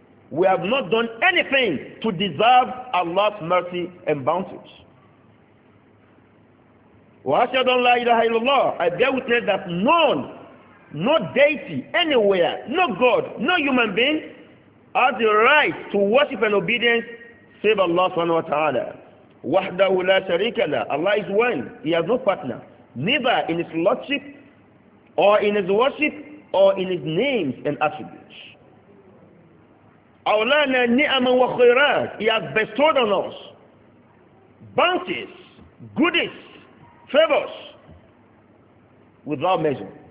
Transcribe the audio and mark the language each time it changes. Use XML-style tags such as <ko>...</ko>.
<en>We have not done anything to deserve Allah's mercy and bounties.</en> <ar>Wa ashhadu an la ilaha illallah.</ar> <en>I bear witness that none, no deity anywhere, no God, no human being, has the right to worship and obedience save Allah subhanahu wa ta'ala.</en> <ar>وَحْدَهُ لَا شَرِيكَ لَا</ar> <en>Allah is one. He has no partner. Neither in his lordship or in his worship or in his names and attributes.</en> <ar>أَوْلَانَا نِعَمًا وَخِيرَاتٍ</ar> <en>He has bestowed on us bounties, goodies, favors without measure.</en>